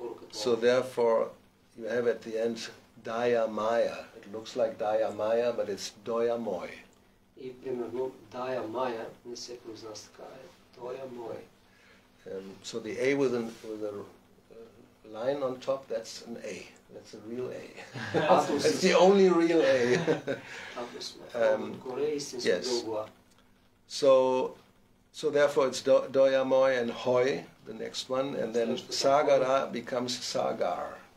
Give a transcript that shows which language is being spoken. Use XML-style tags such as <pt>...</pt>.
<en>So therefore, you have at the end Daya Maya. It looks like Daya Maya, but it's Doya Moy.</en> <bg>И примерно Daya Maya не се произнася така.</bg> <en>Doya Moy. So the A with a line on top, that's an A. That's a real A. It's the only real A. yes. So therefore it's Doya Moy and Hoy, the next one, and then Sagara becomes Sagar.</en>